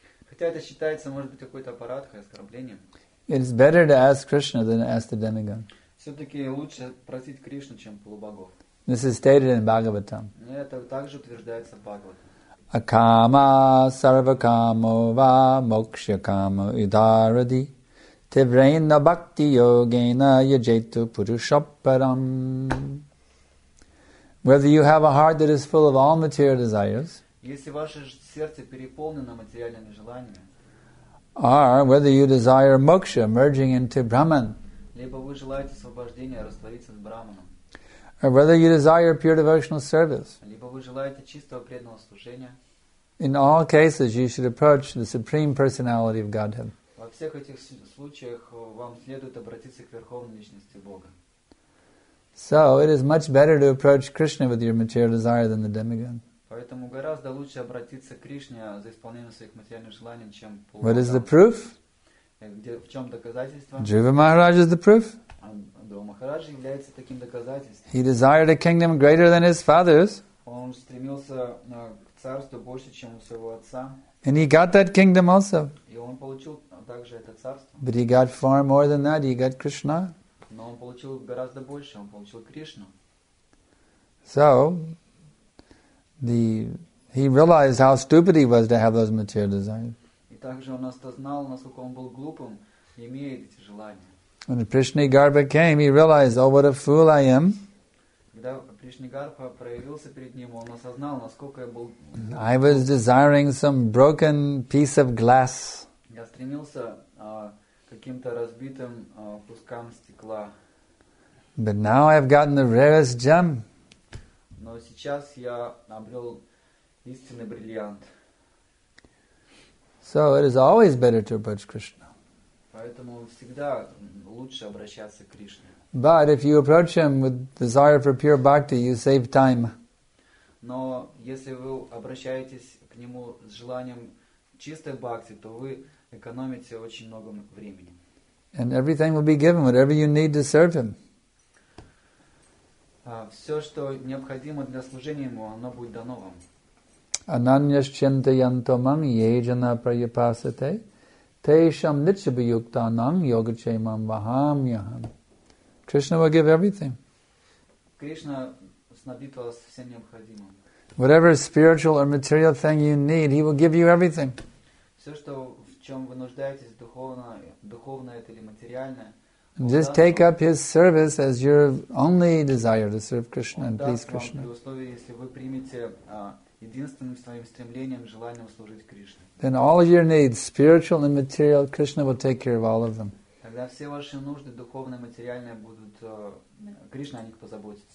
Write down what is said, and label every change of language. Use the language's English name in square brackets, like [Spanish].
[Russian] хотя это считается, может быть, какой-то аппарат, хоть оскорбление, [English] it is better to ask Krishna than to ask the demigod. [Russian] Все-таки лучше просить Кришну, чем полубогов. [English] This is stated in Bhagavatam. [Russian] Это также утверждается в Бхагаватам. [Sanskrit] Акама сарвакамо ва мокшакамо идаради тиврейна бхакти йогена яджету пурушаппарам. [English] Whether you have a heart that is full of all material desires, [Russian] если ваше сердце переполнено материальными желаниями, [English] or whether you desire moksha, merging into Brahman, [Russian] либо вы желаете освобождения, раствориться с Брахманом. [English] Or whether you desire pure devotional service. [Russian] Либо вы желаете чистого преданного служения. [English] In all cases, you should approach the Supreme Personality of Godhead. [Russian] Во всех этих случаях вам следует обратиться к Верховной Личности Бога. [English] So, it is much better to approach Krishna with your material desire than the demigod. [Russian] Поэтому гораздо лучше обратиться к Кришне за исполнением своих материальных желаний, чем полубогам. [English] What is the proof? [Russian] В чем доказательство? [English] Джива Махарадж is the proof. [Russian] Друва Махарадж является таким доказательством. [English] He desired a kingdom greater than his father's. [Russian] Он стремился к царству больше, чем у своего отца. [English] And he got that kingdom also. [Russian] И он получил также это царство. [English] But he got far more than that. He got Krishna. [Russian] Но он получил гораздо больше. Он получил Кришну. [English] So he realized how stupid he was to have those material desires. [Russian] Также он осознал, насколько он был глупым, имея эти желания. [English] When Krishna Garbha came, he realized, oh, what a fool I am. [Russian] когда Кришнагарха проявился перед ним, он осознал, насколько я был. [English] I was desiring some broken piece of glass. [Russian] Я стремился каким-то разбитым кускам стекла. [English] But now I've gotten the rarest gem. [Russian] Но сейчас я обрел истинный бриллиант. [English] So it is always better to approach Krishna. [Russian] Поэтому всегда лучше обращаться к Кришне. [English] But if you approach him with desire for pure bhakti, you save time. [Russian] Но если вы обращаетесь к нему с желанием чистой бхакти, то вы экономите очень много времени. [English] And everything will be given, whatever you need to serve him. [Russian] Все, что необходимо для служения ему, оно будет дано вам. [Sanskrit] Ананьяшчентаянтамам ейджана прайапасате тейшам ничабиюктанам йогачеймам вахамьяхам. [English] Krishna will give everything. [Russian] Krishna снабдит вас всем необходимым. [English] Whatever spiritual or material thing you need, he will give you everything. [Russian] Все, что в чем вы нуждаетесь, духовное это или материальное. [English] Just take up his service as your only desire to serve Krishna and please Krishna. [Russian] При условии, если вы примете единственным своим стремлением, желанием служить Кришне. [English] Then all of your needs, spiritual and material, Krishna will take care of all of them. [Russian] Тогда все ваши нужды духовные, материальные будут Кришна о них позаботится.